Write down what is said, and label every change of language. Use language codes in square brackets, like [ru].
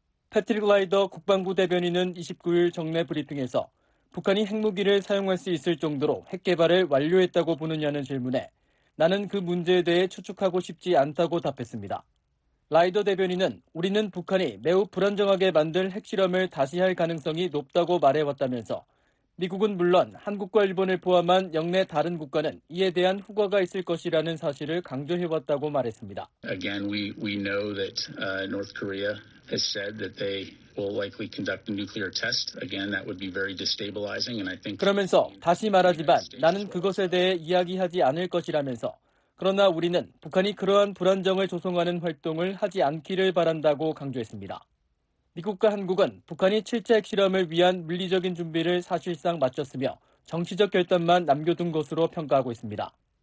[ko] 패틸 글라이더 국방부 대변인은 29일 정례 브리핑에서 북한이 핵무기를 사용할 수 있을 정도로 핵개발을 완료했다고 보느냐는 질문에 나는 그 문제에 대해 추측하고 싶지 않다고 답했습니다. 라이더 대변인은 우리는 북한이 매우 불안정하게 만들 핵실험을 다시 할 가능성이 높다고 말해왔다면서 미국은 물론 한국과 일본을 포함한 영내 다른 국가는 이에 대한 후과가 있을 것이라는 사실을 강조해왔다고 말했습니다. [en] Again, we know that North Korea has said that they will likely conduct a nuclear test. Again, that would be very destabilizing. And I think [ko] 그러면서 다시 말하지만 나는 그것에 대해 이야기하지 않을 것이라면서 그러나 우리는 북한이 그러한 불안정을 조성하는 활동을 하지 않기를 바란다고 강조했습니다. 미국과 한국은 북한이 7차 핵실험을 위한 물리적인 준비를 사실상 마쳤으며 정치적 결단만 남겨둔 것으로 평가하고 있습니다.